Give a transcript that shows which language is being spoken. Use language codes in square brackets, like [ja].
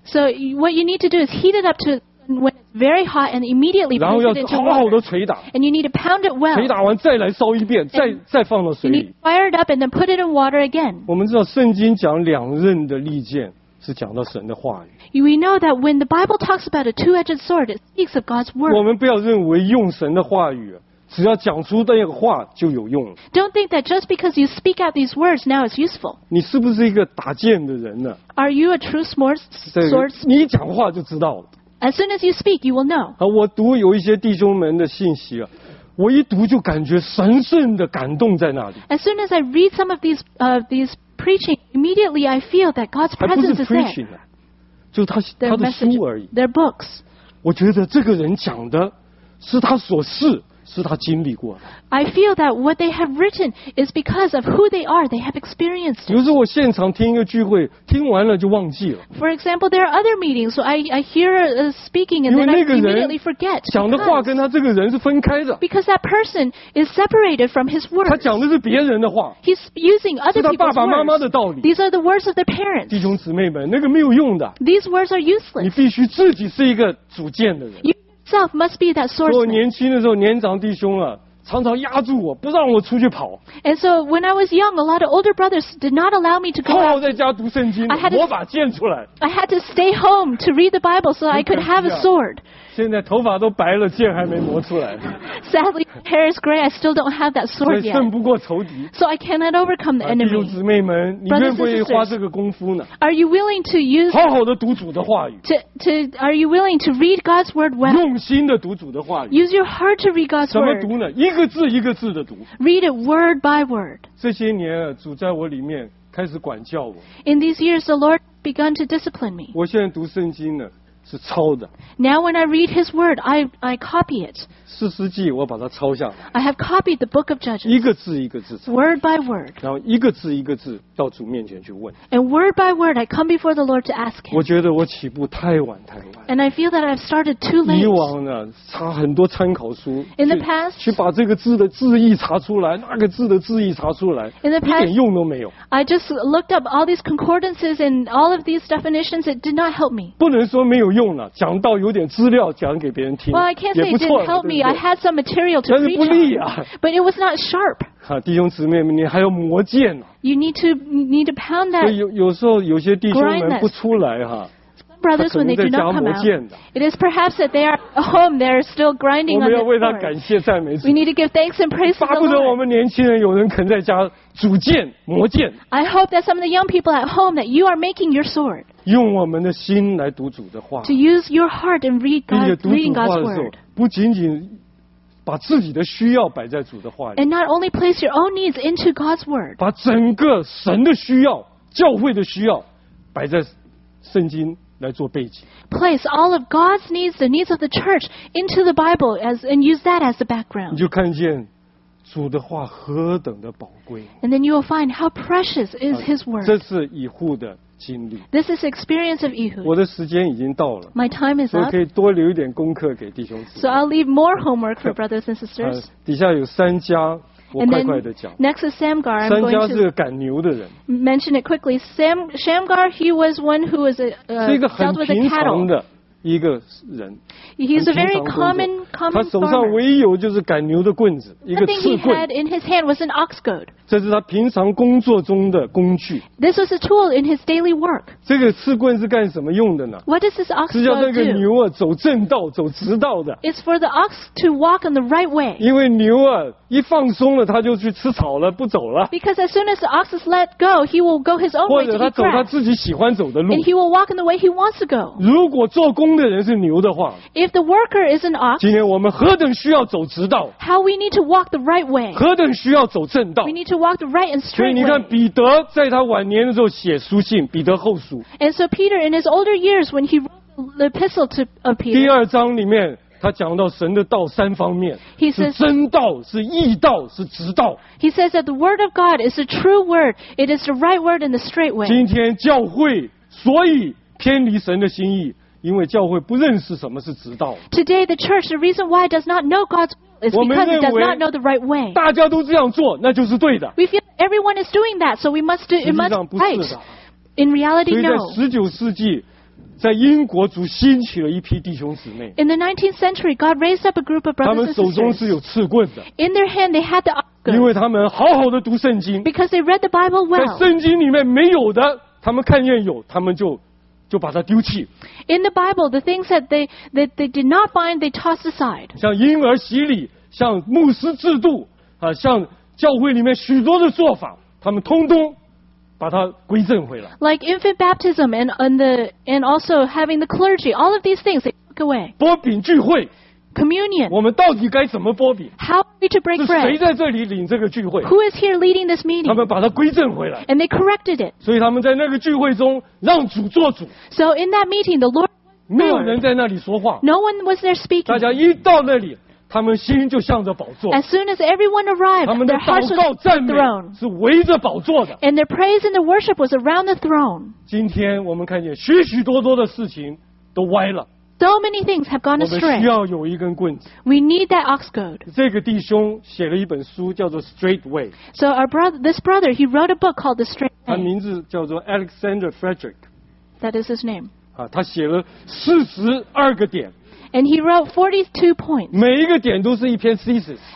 [en] So what you need to do is heat it up to when it's very hot and immediately put it into water. [zh] 然后要好好的捶打。 [en] And you need to pound it well. [zh] 捶打完再来烧一遍，再放到水里。 [en] You need to fire it up and then put it in water again. [zh] 我们知道圣经讲两刃的利剑是讲到神的话语。 [en] We know that when the Bible talks about a two-edged sword, it speaks of God's word. [zh] 我们不要认为用神的话语。只要讲出那个话就有用了。 [en] Don't think that just because you speak out these words now it's useful. [zh] 你是不是一个打剑的人呢 [en] ？Are you a true swordsman? [zh] 你一讲话就知道了。 [en] As soon as you speak, you will know. [zh] 我读有一些弟兄们的信息啊，我一读就感觉神圣的感动在那里。 [en] As soon as I read some of these preaching, immediately I feel that God's presence is there. [zh] 还不是 preaching 呢、啊，就他的书而已。 [en] Their books. [zh] 我觉得这个人讲的是他所是。是他经历过的。 [en] I feel that what they have written is because of who they are. They have experienced. [zh] 比如说，我现场听一个聚会，听完了就忘记了。 [en] For example, there are other meetings, so I hear a speaking and then I immediately forget. [zh] 讲的话跟他这个人是分开的。 [en] Because that person is separated from his words. [zh] 他讲的是别人的话。 [en] He's using other people's words. [zh] 是他爸爸妈妈的道理。 [en] These are the words of their parents. [zh] 弟兄姊妹们，那个没有用的。 [en] These words are useless. [zh] 你必须自己是一个主见的人。 [en] Self must be that source. [zh] 我年轻的时候，年长弟兄啊，常常压住我，不让我出去跑。 [en] And so when I was young, a lot of older brothers did not allow me to go. [zh] 好好在家读圣经，我把剑出来。 [en] I had to stay home to read the Bible so I could have a sword. [zh] 现在头发都白了，剑还没磨出来。 [en] Sadly, hair is gray. I still don't have that sword yet. [zh] 所以胜不过仇敌。 [en] So I cannot overcome the enemy. [zh] 弟兄姊妹们，你愿不愿意花这个功夫呢 [en] ？Are you willing to use [zh] 好好的读主的话语 [en] Are you willing to read God's word well? [zh] 用心的读主的话语。 [en] Use your heart to read God's word. [zh] 怎么读呢？一个字一个字的读。 [en] Read it word by word. [zh] 这些年主在我里面开始管教我。 [en] In these years, the Lord began to discipline me. [zh] 我现在读圣经呢，是抄的。 [en] Now when I read His word, I copy it. [zh] 四世纪我把它抄下来。 [en] I have copied the book of Judges. [zh] 一个字一个字。 [en] Word by word. [zh] 然后一个字一个字到主面前去问。 [en] And word by word, I come before the Lord to ask Him. [zh] 我觉得我起步太晚太晚。 [en] And I feel that I've started too late. [zh] 以往呢，查很多参考书。 [en] In the past, [zh] 去把这个字的字义查出来，那个字的字义查出来。 [en] In the past, [zh] 一点用都没有。 [en] I just looked up all these concordances and all of these definitions. It did not help me. [zh] 不能说没有用了，讲到有点资料讲给别人听。 [en] Well, I can't say it didn't help me. I had some material to preach. [zh] 但是不利啊。 [en] But it was not sharp. [zh] 啊，弟兄姊妹们，你还要磨剑呢。 [en] You need to pound that. [zh] 有时候有些弟兄们不出来哈。 [en] Brothers, when they do not come out, it is perhaps that they are at home. They are still grinding on the sword. [zh] 我们要为他感谢赞美主。 [en] We need to give thanks and praise the Lord. [zh] 巴不得我们年轻人有人肯在家组剑磨剑。 [en] I hope that some of the young people at home that you are making your sword. [zh] 用我们的心来读主的话。 [en] To use your heart and read God's word. [zh] 并且读主话的时候，不仅仅把自己的需要摆在主的话里。 [en] And not only place your own needs into God's word. [zh] 把整个神的需要、教会的需要摆在圣经。来做背景。 [en] Place all of God's needs, the needs of the church, into the Bible and use that as the background. [zh] 你就看见主的话何等的宝贵。 [en] And then you will find how precious is His word. [zh] 这是以户的经历。 [en] This is experience of Ehud. [zh] 我的时间已经到了。 [en] My time is up. [zh] 所以可以多留一点功课给弟兄姊妹。 [en] So I'll leave more homework for brothers and sisters. [zh] 底下有三家。 [en] And then next is Samgar. I'm going to [zh] 三家是个赶牛的人。 [en] Mention it quickly. Shamgar, he was one who was dealt with a cattle. [zh] 一个人。 [en] He's a very common farmer. [zh] 他手上唯有就是赶牛的棍子，一个刺棍。 [en] The thing he had in his hand was an ox goad. [zh] 这是他平常工作中的工具。 [en] This was a tool in his daily work. [zh] 这个刺棍是干什么用的呢 [en] ？What does this ox goad do? [zh] 是叫那个牛啊走正道，走直道的。 [en] It's for the ox to walk in the right way. [zh] 因为牛啊一放松了，他就去吃草了，不走了。 [en] Because as soon as the ox is let go, he will go his own way. [zh] 或者他走他自己喜欢走的路。 [en] And he will walk in the way he wants to go. [zh] 如果做工的人是牛的话 [en] If the worker is an ox, [zh] 今天我们何等需要走直道 [en] How we need to walk the right way [zh] 何等需要走正道 [en] We need to walk the right and straight way [zh] 所以你看彼得在他晚年的时候写书信彼得后书 [en] And so Peter in his older years when he wrote the epistle to Peter [zh] 第二章里面他讲到神的道三方面 [en] He says, [zh] 是真道是义道是直道 [en] He says that the word of God is the true word It is the right word and the straight way [zh] 今天教会所以偏离神的心意因为教会不认识什么是直道。 [en] Today the church, the reason why it does not know God's will is because it does not know the right way. [zh] 大家都这样做，那就是对的。 [en] We feel everyone is doing that, so we must do. It must fight. In reality, no. [zh] 所以在十九世纪，在英国主兴起了一批弟兄姊妹。 [en] In the 19th century, God raised up a group of brothers and sisters. [zh] 他们手中是有刺棍的。 [en] In their hand, they had the ox. [zh] 因为他们好好的读圣经。 [en] Because they read the Bible well. [zh] 在圣经里面没有的，他们看见有，他们就。就把它丢弃。 [en] In the Bible, the things that they did not find, they tossed aside. [zh] 像婴儿洗礼，像牧师制度，啊，像教会里面许多的做法，他们通通把它归正回来。 [en] Like infant baptism and also having the clergy, all of these things they took away. [zh] 擘饼聚会。 [en] Communion. [zh] 我们到底该怎么擘饼 [en] ？How are we to break bread? [zh] 是谁在这里领这个聚会 [en] ？Who is here leading this meeting? [zh] 他们把它归正回来。 [en] And they corrected it. [zh] 所以他们在那个聚会中让主做主。 [en] So in that meeting, the Lord. [zh] 没有人在那里说话。 [en] No one was there speaking. [zh] 大家一到那里，他们心就向着宝座。 [en] As soon as everyone arrived, their hearts were around the throne. [zh] 他们的祷告赞美是围着宝座的。 [en] And their praise and their worship was around the throne. [zh] 今天我们看见许许多多的事情都歪了。 [en] So many things have gone astray. [zh] 我们需要有一根棍子。 [en] We need that ox goad. [zh] 这个弟兄写了一本书，叫做 Straight Way. [en] So our brother, this brother, he wrote a book called The Straight Way. [zh] 他名字叫做 Alexander Frederick. [en] That is his name. [zh] 啊，他写了四十二个点。 [en] And he wrote 42 points. [zh] 每一个点都是一篇 thesis.